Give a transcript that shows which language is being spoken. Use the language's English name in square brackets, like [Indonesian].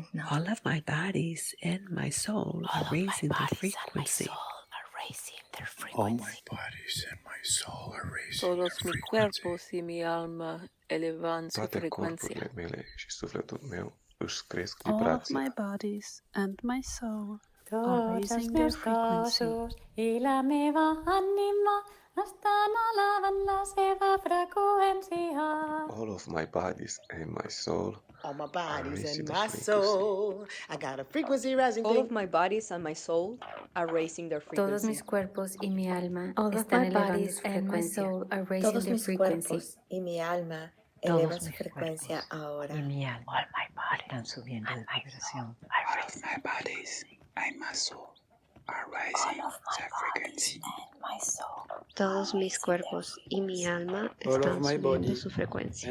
[English] All of my bodies and my soul are raising their frequency. All my bodies and my soul are raising [Spanish] todos mis cuerpos y mi alma elevan su frecuencia. [Romanian] Toate corpurile mele și sufletul meu își cresc vibrația. [English] All of my bodies and my soul are raising their frequency. All of my bodies and my soul. All my bodies and my soul. I got a frequency rising. All of my bodies and my soul are raising their frequency. [Spanish] Todos mis cuerpos y mi alma están elevando su frecuencia. [English] All of my bodies and my soul are raising their frequency. [Spanish] Todos mis cuerpos y mi alma elevan su frecuencia ahora. Y mi alma. [English] All my bodies [Spanish] están subiendo de vibración. [English] All of my bodies and my soul are raising their frequency. [Spanish] Todos mis cuerpos y mi alma están subiendo su frecuencia.